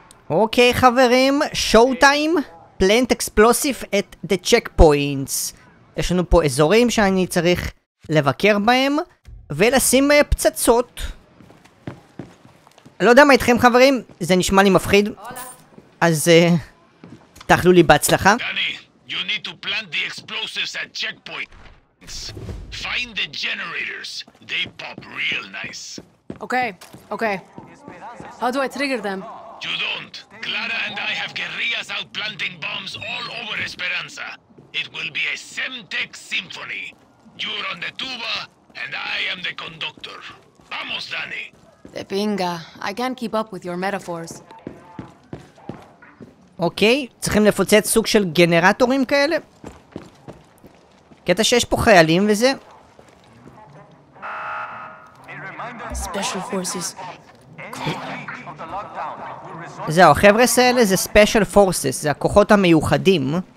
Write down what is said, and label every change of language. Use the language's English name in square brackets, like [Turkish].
[Hebrew] אוקיי חברים, [English] שואו טיים, פלנט אקספלוסיב את דה צ'ק פוינטס. [Hebrew] יש לנו פה אזורים שאני צריך לבקר בהם ולשים פצצות. לא יודע מה איתכם חברים, זה נשמע לי מפחיד. [Spanish] Hola. [Hebrew] אז תאכלו לי בהצלחה. [English] דני, you need to plant the explosives at checkpoints. Find the generators, they pop real nice. אוקיי, אוקיי. How do I trigger them? You don't. Clara and I have guerrillas out planting bombs all over Esperanza. It will be a Semtex symphony. You're on the tuba, and I am the conductor. [Spanish] Vamos, Danny. De pinga. [English] I can't keep up with your metaphors. [Hebrew] אוקיי, צריכים לפוצץ סוג של גנרטורים כאלה? קטע שיש פה חיילים וזה? [English] Special forces. [Hebrew] זהו, החבר'ה האלה זה Special Forces, זה הכוחות המיוחדים.